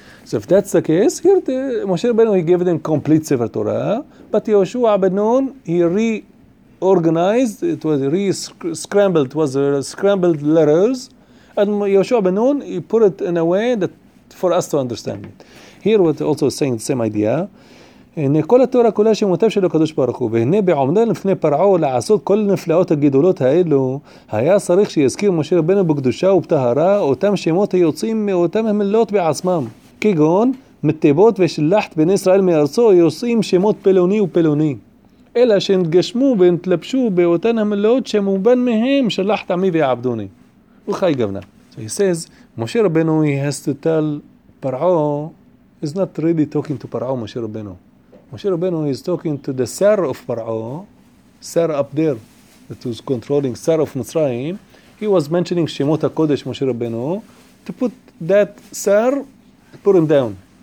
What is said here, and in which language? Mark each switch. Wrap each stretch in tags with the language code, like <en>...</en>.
<en>So if that's the case, here the Moshe Rabbeinu, he gave them complete Sefer Torah. But Yehoshua ben Nun, he reorganized, it was re-scrambled, it was scrambled letters. And Yehoshua ben Nun, he put it in a way that for us to understand it. Here what also saying the same idea.</en> <he>הנה כל התורה כולה שמותיו של הקדוש ברוך הוא, והנה בעומדה לפני פרעו לעשות כל הנפלאות הגדולות האלו, היה צריך שיזכיר משה רבנו בקדושה ובטהרה אותם שמות היוצאים מאותם המילות בעצמם. כגון, מטיבות ושלחת בני ישראל מארצו יוצאים שמות פלוני ופלוני. אלא שנתגשמו ונתלבשו באותן המילות שמובן מהם שלחת עמי ויעבדוני. וחי גוונה.</he> <en>So he says, משה רבנו, he has to tell פרעו, he's not really talking to פרעו, משה רבנו. Moshe Rabbeinu is talking to the Sar of Par'o, Sar up there, that was controlling Sar of Mitzrayim. He was mentioning Shemot HaKodesh, Moshe Rabbeinu, to put that Sar, put him down.</en>